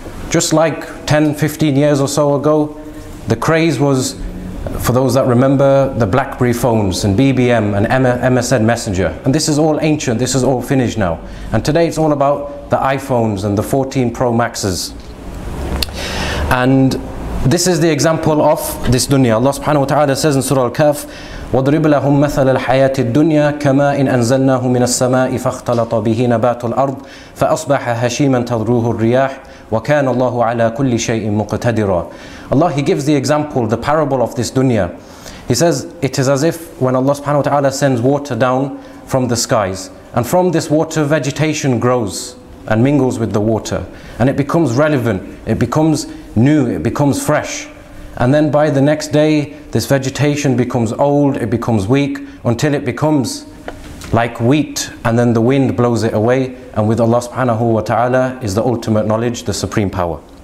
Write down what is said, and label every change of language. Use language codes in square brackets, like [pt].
[en] Just like 10, 15 years or so ago, the craze was, for those that remember, the BlackBerry phones and BBM and MSN Messenger. And this is all ancient, this is all finished now. And today it's all about the iPhones and the 14 Pro Maxes. And this is the example of this dunya. Allah subhanahu wa ta'ala says in Surah Al-Kahf, [ar] وَضْرِبْ لَهُمْ مَثَلَ الْحَيَاةِ الدُّنْيَا كَمَا إِنْ أَنْزَلْنَاهُ مِنَ السَّمَاءِ فَاخْتَلَطَ بِهِ نَبَاتُ الْأَرْضِ فَأَصْبَحَ هَشِيمًا تَذْرُوهُ الرِّيَاحِ وَكَانَ اللَّهُ عَلَىٰ كُلِّ شَيْءٍ مُقْتَدِرًا [en] Allah, He gives the example, the parable of this dunya. He says, it is as if when Allah subhanahu wa ta'ala sends water down from the skies, and from this water vegetation grows and mingles with the water, and it becomes relevant, it becomes new, it becomes fresh. And then by the next day, this vegetation becomes old, it becomes weak, until it becomes like wheat, and then the wind blows it away, and with Allah subhanahu wa ta'ala is the ultimate knowledge, the supreme power.